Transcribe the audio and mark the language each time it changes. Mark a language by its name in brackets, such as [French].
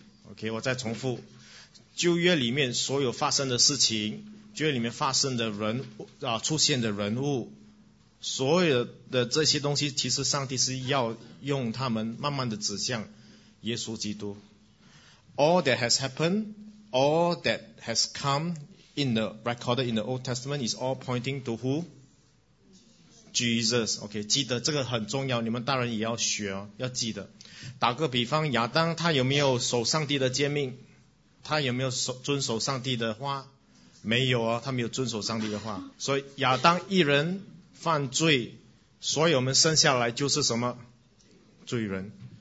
[Chinese] OK， 我再重复，旧约里面所有发生的事情，旧约里面发生的人啊，出现的人物，所有的这些东西，其实上帝是要用他们慢慢的指向耶稣基督。 [English] All that has happened, all that has come in the recorded in the Old Testament is all pointing to who? Jesus. [Chinese] OK， 记得这个很重要，你们大人也要学哦，要记得。打个比方，亚当他有没有守上帝的诫命？他有没有遵守上帝的话？没有哦，他没有遵守上帝的话。所以亚当一人犯罪，所以我们生下来就是什么？罪人。